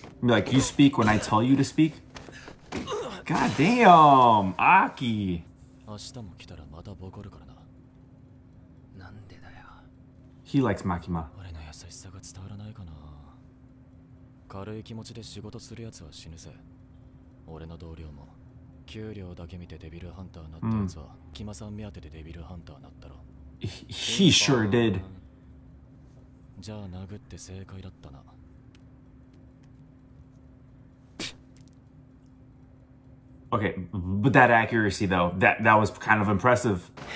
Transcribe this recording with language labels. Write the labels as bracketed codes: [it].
[en] Be like, you speak when I tell you to speak? God damn, Aki. [ja] 明日も来たらまたボコるからな。なんでだよ。 [en] He likes Makima. [ja] 俺の優しさが伝わらないかな。軽い気持ちで仕事するやつは死ぬぜ。俺の同僚も給料だけ見てデビルハンターになったやつは、キマさん目当てでデビルハンターになったろ。 [en] He sure did. [ja] じゃあ殴って正解だったな。 [en] Okay, but that accuracy though, that was kind of impressive.